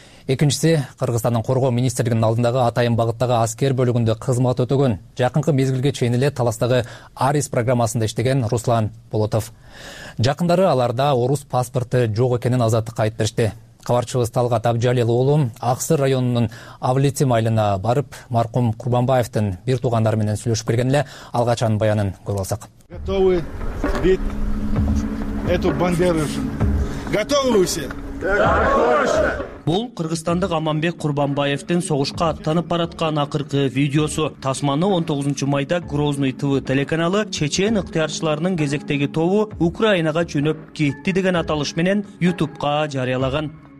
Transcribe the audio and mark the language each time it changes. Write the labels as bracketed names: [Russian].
[Kyrgyz] Экинчиси Кыргызстандын коргоо министрлигинин алдындагы атайын багыттагы аскер бөлүгүндө кызмат өтөгөн, жакынкы мезгилге чейин эле Таластагы Арис программасында иштеген Руслан Болотов. Жакындары аларда орус паспорту жок экенин азаттыкка айтып беришти. Кабарчыбыз Талгат Абжалил уулу Аксыр районунун Авлетим айылына барып, маркум Курбанбаевдин бир туугандары менен сүйлөшүп келген эле алгач анын баянын көрүп алсак. [Russian] Готовы бить эту бандеру. Готовы Руси? [Kyrgyz] Бул кыргызстандык Аманбек Курбанбаевдин согушка аттанып бараткан акыркы видеосу. Тасманы 19 майда Грозный ТВ телеканалы чечен ыктыярчыларынын кезектеги тобу Украинага жөнөп кетти деген аталыш менен YouTube'ка жарыялаган.